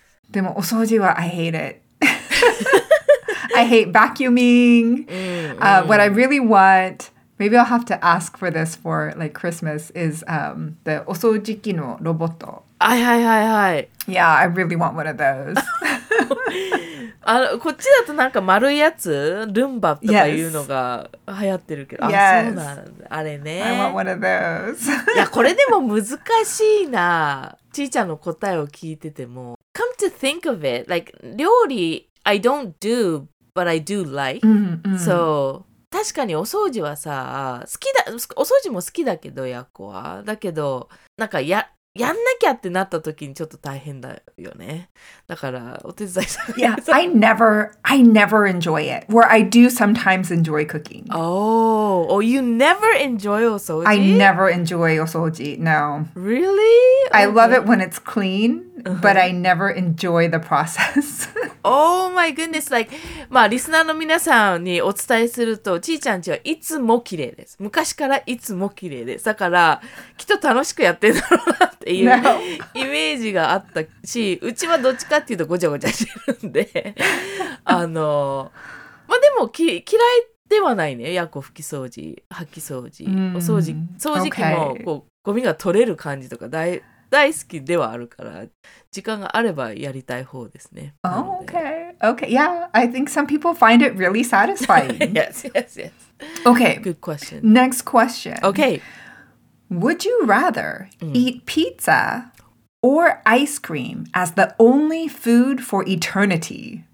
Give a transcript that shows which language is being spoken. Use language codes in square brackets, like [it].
[ja] でもお掃除は [en] I hate it. I hate vacuuming. What I really want, maybe I'll have to ask for this for like Christmas, is the [ja] お掃除機のロボット。はいはいはいはい。 [en] Yeah, I really want one of those. [ja] あの、こっちだとなんか丸いやつ、ルンバとかいうのが流行ってるけど、 [en] yes. [ja] あ、そうなんだ。あれね。 [en] I want one of those. [ja] いや、これでも難しいな。ちーちゃんの答えを聞いてても。 [en] Come to think of it, like, 料理 I don't do, but I do like. Mm-hmm. [ja] So, 確かにお掃除はさ、好きだ、お掃除も好きだけど、やっこは。だけど、なんか、やんなきゃってなった時にちょっと大変だよね。だから、お手伝いさん。 [en] Yeah, I never enjoy it. Where I do sometimes enjoy cooking. Oh, you never enjoy お掃除? I never enjoy お掃除, no. Really? Okay. I love it when it's clean. But I never enjoy the process. Oh my goodness! [ja] Like, まあリスナーの皆さんにお伝えすると、ちーちゃんちはいつも綺麗です。昔からいつも綺麗です。だからきっと楽しくやってるんだろうなっていう、 [en] no. [ja] イメージがあったし、うちはどっちかっていうとごちゃごちゃしてるんで、あの、まあでも嫌いではないね。やこ拭き掃除、掃き掃除、お掃除、掃除機もこう、okay. ゴミが取れる感じとか大好きではあるから、時間があればやりたい方ですね。 [en] Oh, okay. Okay. Yeah, I think some people find it really satisfying. Yes, yes, yes. Okay. Good question. Next question. Okay. Would you rather eat pizza or ice cream as the only food for eternity?